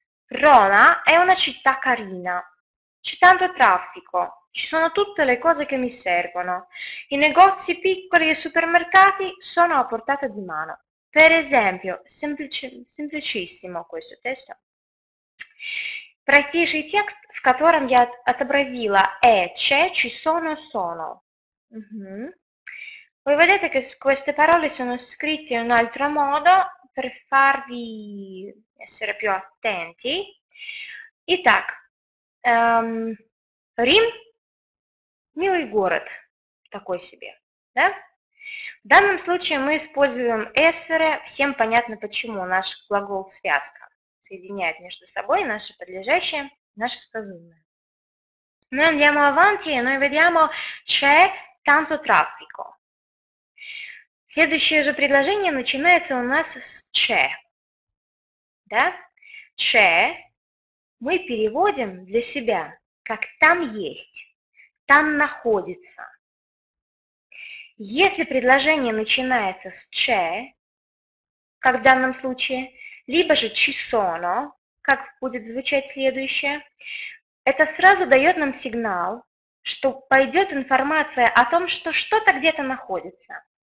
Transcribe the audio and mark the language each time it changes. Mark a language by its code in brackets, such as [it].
[it] Roma è una città carina. C'è tanto traffico, ci sono tutte le cose che mi servono. I negozi piccoli e i supermercati sono a portata di mano. Per esempio, semplicissimo questo testo. [ru] Простейший текст, в котором я отобразила è, c'è, ci sono, sono. [it] Voi vedete che queste parole sono scritte in un altro modo per farvi essere più attenti. [ru] Итак. Рим, милый город, такой себе, да? В данном случае мы используем essere, всем понятно почему, наш глагол связка соединяет между собой наше подлежащее, наше сказуемое. [it] Noi andiamo avanti e noi vediamo c'è tanto traffico. [ru] Следующее же предложение начинается у нас с c'è, да? [it] C'è. [ru] Мы переводим для себя, как там есть, там находится. Если предложение начинается с «че», как в данном случае, либо же «ci sono», как будет звучать следующее, это сразу дает нам сигнал, что пойдет информация о том, что что-то где-то находится.